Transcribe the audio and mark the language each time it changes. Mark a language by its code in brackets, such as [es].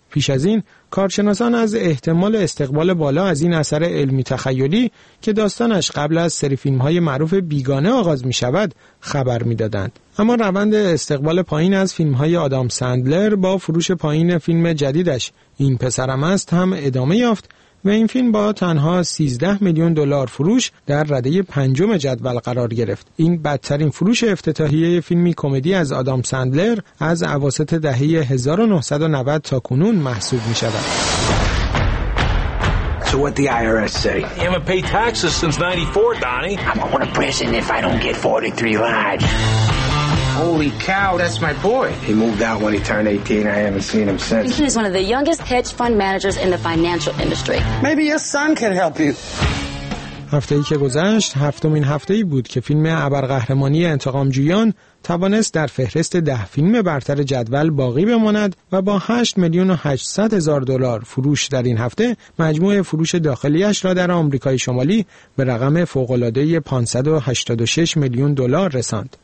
[fa] پیش از این کارشناسان از احتمال استقبال بالا از این اثر علمی تخیلی که داستانش قبل از سری فیلم‌های معروف بیگانه آغاز می‌شود خبر می‌دادند، اما روند استقبال پایین از فیلم‌های آدام سندلر با فروش پایین فیلم جدیدش این پسرم است هم ادامه یافت و این فیلم با تنها 13 میلیون دلار فروش در رده پنجم جدول قرار گرفت. این بدترین فروش افتتاحیه فیلمی کمدی از آدام سندلر از اواسط دهه 1990 تا کنون محسوب می شود. [en] So what the IRS say? You haven't paid taxes since 94, Donnie. I'm going to prison if I don't get 43 lives. Holy cow, that's my boy. He moved out when he turned 18. I haven't seen him since. He is one of the youngest hedge fund managers in the financial industry. Maybe your son can help you. [fa] هفته‌ای که گذشت هفتمین هفته‌ای بود که فیلم ابرقهرمانی انتقام‌جویان توانست در فهرست 10 فیلم برتر جدول باقی بماند و با 8 میلیون و 800 هزار دلار فروش در این هفته مجموع فروش داخلیش را در آمریکای شمالی به رقم فوق‌العاده 586 میلیون دلار رساند.